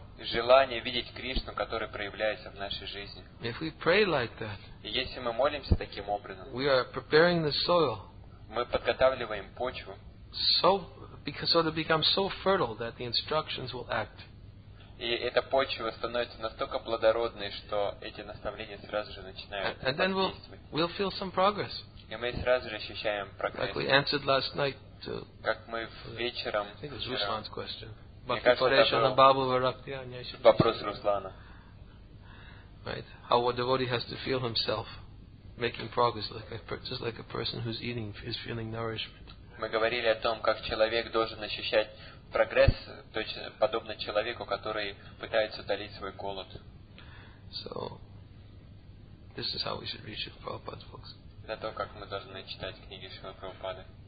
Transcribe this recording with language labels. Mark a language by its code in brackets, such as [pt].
[ru] Желание видеть Кришну, который проявляется в нашей жизни. [en] If we pray like that, [ru] если мы молимся таким образом, [en] we are preparing the soil. [ru] Мы подготавливаем почву. [en] So it becomes so fertile that the instructions will act. [ru] И эта почва становится настолько плодородной, что эти наставления сразу же начинают действовать. [en] And then we'll feel some progress. [ru] И мы сразу же ощущаем прогресс. [en] Like we answered last night to. [ru] Как мы вечером. [en] I think it was Ruslan's question. [ru] Вопрос Руслана. [en] Right? How a devotee has to feel himself making progress, just like a person who's eating is feeling nourishment. [ru] Мы говорили о том, как человек должен ощущать прогресс, точно подобно человеку, который пытается утолить свой голод. [en] So, this is how we should reach Prabhupada's books. [ru] Это то, как мы должны читать книги Шрилы Прабхупады.